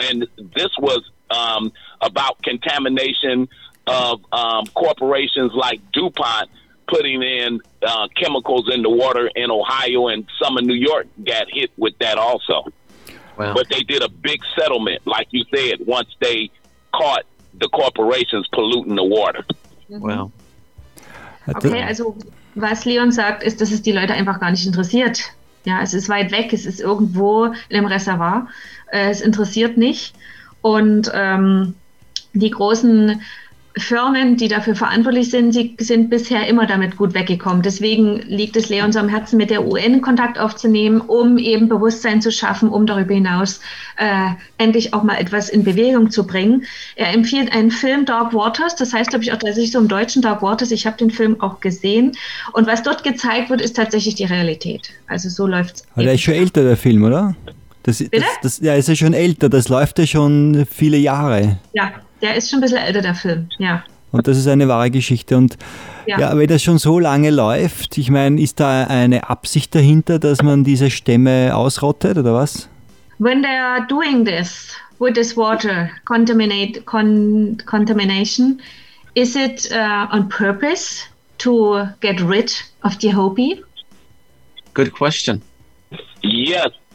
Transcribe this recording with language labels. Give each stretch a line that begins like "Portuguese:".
English: And this was about contamination of corporations like DuPont putting in chemicals in the water in Ohio, and some in New York got hit with that also. Wow. But they did a big settlement, like you said, once they caught the corporations polluting the water. Mm-hmm. Wow.
German: Okay, also was Leon sagt, ist, dass es die Leute einfach gar nicht interessiert. Ja, es ist weit weg, es ist irgendwo in einem Reservoir, es interessiert nicht. Und die großen Firmen, die dafür verantwortlich sind, sie sind bisher immer damit gut weggekommen. Deswegen liegt es Leon so am Herzen, mit der UN Kontakt aufzunehmen, um eben Bewusstsein zu schaffen, um darüber hinaus endlich auch mal etwas in Bewegung zu bringen. Er empfiehlt einen Film, Dark Waters, das heißt, glaube ich, auch tatsächlich so im Deutschen Dark Waters. Ich habe den Film auch gesehen. Und was dort gezeigt wird, ist tatsächlich die Realität. Also so läuft es. Der ist schon älter, der Film, oder? Ja, ist ja schon älter, das läuft ja schon viele Jahre. Ja. Der ist schon ein bisschen älter, der Film, ja. Und das ist eine wahre Geschichte. Und ja, wenn das schon so lange läuft, ich meine, ist da eine Absicht dahinter, dass man diese Stämme ausrottet, oder was?
English: When they are doing this, with this water contamination, is it on purpose to get rid of the Hopi? Good question. Yes.